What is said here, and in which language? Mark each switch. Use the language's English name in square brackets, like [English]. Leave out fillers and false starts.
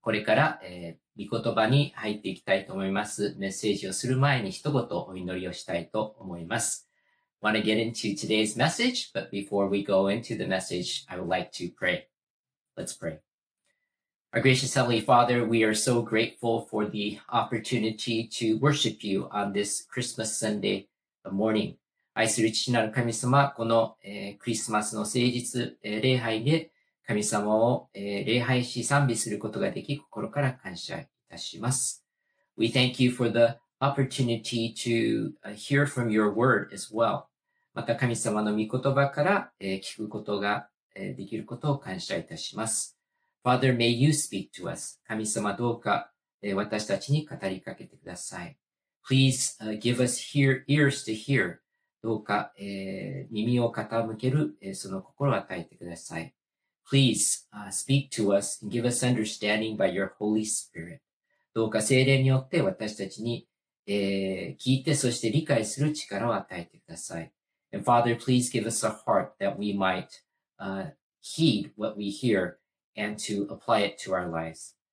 [Japanese] これから、御言葉に入っていきたいと思います。メッセージをする前に一言お祈りをしたいと思います。 [English] I want to get into today's message, but before we go into the message, I would like to pray. Let's pray. Our gracious Heavenly Father, we are so grateful for the opportunity to worship you on this Christmas Sunday morning. [Japanese] 愛する父なる神様、この、クリスマスの聖日、礼拝で神様を礼拝し賛美することができ、心から感謝いたします。 [English] We thank you for the opportunity to hear from your word as well. [Japanese] また神様の御言葉から聞くことができることを感謝いたします。 [English] Father, may you speak to us. [Japanese] 神様どうか私たちに語りかけてください。 [English] Please give us ears to hear. [Japanese] どうか耳を傾ける、その心を与えてください。 [English] Please, speak to us and give us understanding by your Holy Spirit. [Japanese] どうか聖霊によって私たちに、聞いてそして理解する力を与えてください。 [English] And Father, please give us a heart that we might, heed what we hear and to apply it to our lives.